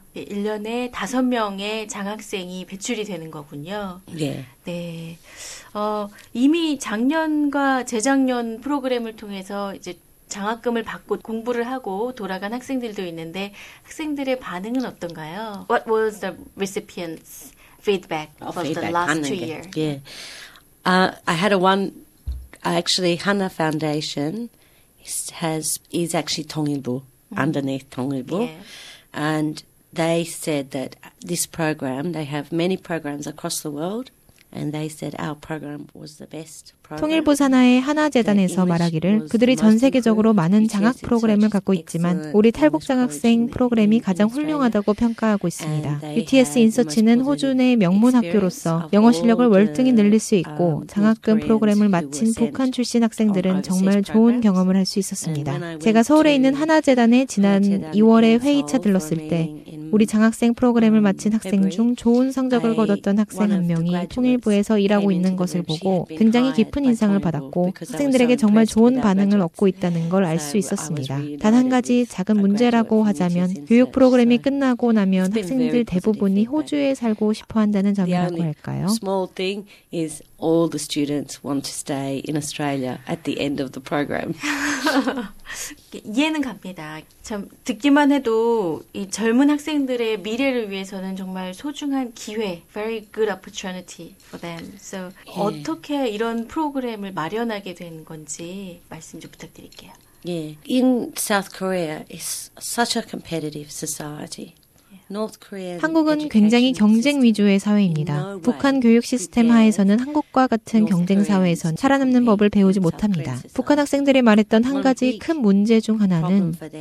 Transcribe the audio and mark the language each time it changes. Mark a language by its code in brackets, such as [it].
[ko] 1년에 5명의 장학생이 배출이 되는 거군요. [en] Yeah. [ko] 네. 어, 이미 작년과 재작년 프로그램을 통해서 이제 장학금을 받고 공부를 하고 돌아간 학생들도 있는데 학생들의 반응은 어떤가요? [en] What was the recipient's feedback of the last 2 years? Yeah. I had a one actually Hana Foundation has is actually 통일부 underneath 통일부. Yeah. And they said that this program, they have many programs across the world. And they said our program was the best program. [ko] 통일부 산하의 하나재단에서 말하기를 그들이 전 세계적으로 많은 장학 프로그램을 갖고 있지만 우리 탈북 장학생 프로그램이 가장 훌륭하다고 평가하고 있습니다. UTS 인서치는 호주 내 명문 학교로서 영어 실력을 월등히 늘릴 수 있고 장학금 프로그램을 마친 북한 출신 학생들은 정말 좋은 경험을 할 수 있었습니다. 제가 서울에 있는 하나재단에 지난 2월에 회의차 들렀을 때 우리 장학생 프로그램을 마친 학생 중 좋은 성적을 거뒀던 학생 한 명이 통일부에서 일하고 있는 것을 보고 굉장히 깊은 인상을 받았고 학생들에게 정말 좋은 반응을 얻고 있다는 걸 알 수 있었습니다. 단 한 가지 작은 문제라고 하자면 교육 프로그램이 끝나고 나면 학생들 대부분이 호주에 살고 싶어 한다는 점이라고 할까요? [en] Small thing is all the students want to stay in Australia at the end of the program. [ko] 이해는 갑니다. 참 듣기만 해도 이 젊은 학생들의 미래를 위해서는 정말 소중한 기회, [en] very good opportunity for them. So yeah. [ko] 어떻게 이런 프로그램을 마련하게 된 건지 말씀 좀 부탁드릴게요. Yeah. [en] In South Korea, it's such a competitive society. [ko] 한국은 굉장히 경쟁 위주의 사회입니다. 북한 교육 시스템 하에서는 한국과 같은 경쟁 사회에선 살아남는 법을 배우지 못합니다. 북한 학생들이 말했던 한 가지 큰 문제 중 하나는